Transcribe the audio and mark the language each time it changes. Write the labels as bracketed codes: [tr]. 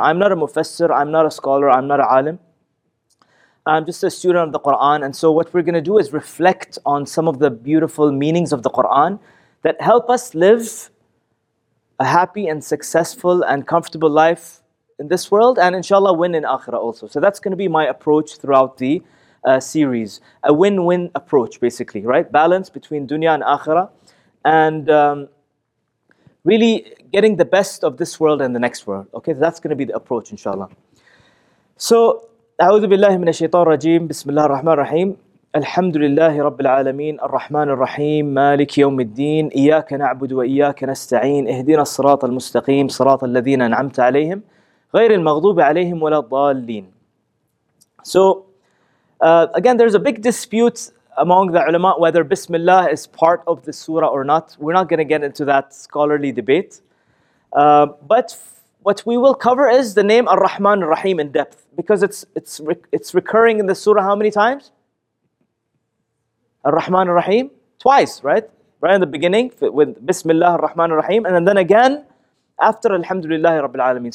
[en] I'm not a mufassir, I'm not a scholar, I'm not an alim. I'm just a student of the Quran, and so what we're going to do is reflect on some of the beautiful meanings of the Quran that help us live a happy and successful and comfortable life in this world, and inshallah win in Akhirah also. So that's going to be my approach throughout the series, a win-win approach basically, right? Balance between dunya and Akhirah, and really getting the best of this world and the next world. Okay, so that's going to be the approach, inshallah. [ar] So, أعوذ بالله من الشيطان الرجيم بسم الله الرحمن الرحيم الحمد لله رب العالمين الرحمن الرحيم مالك يوم الدين إياك نعبد وإياك نستعين اهدنا الصراط المستقيم صراط الذين أنعمت عليهم غير المغضوب عليهم ولا الضالين [en] So again, there's a big dispute among the ulama whether Bismillah is part of the surah or not. We're not going to get into that scholarly debate. But what we will cover is the name Ar-Rahman Ar-Rahim in depth, because it's recurring in the surah how many times? Ar-Rahman Ar-Rahim, twice, right? Right in the beginning with Bismillah Ar-Rahman Ar-Rahim, and then again after Alhamdulillahi Rabbil Alameen.